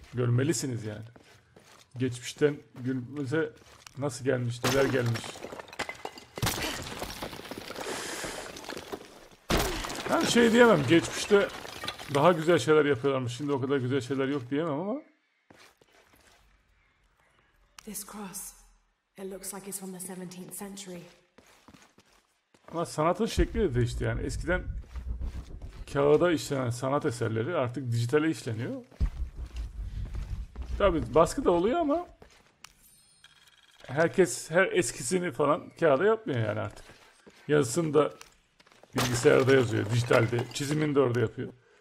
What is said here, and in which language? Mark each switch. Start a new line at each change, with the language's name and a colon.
Turkish: Görmelisiniz yani. Geçmişten günümüze nasıl gelmiş, neler gelmiş. Ben şey diyemem geçmişte... Daha güzel şeyler yapıyorlarmış. Şimdi o kadar güzel şeyler yok diyemem ama.
English: This cross. It looks like it's from the 17th century.
Turkish: Ama sanatın şekli de değişti yani. Eskiden kağıda işlenen sanat eserleri artık dijitale işleniyor. Tabii baskı da oluyor ama herkes her eskisini falan kağıda yapmıyor yani artık. Yazısını da bilgisayarda yazıyor, dijitalde. Çizimini de orada yapıyor.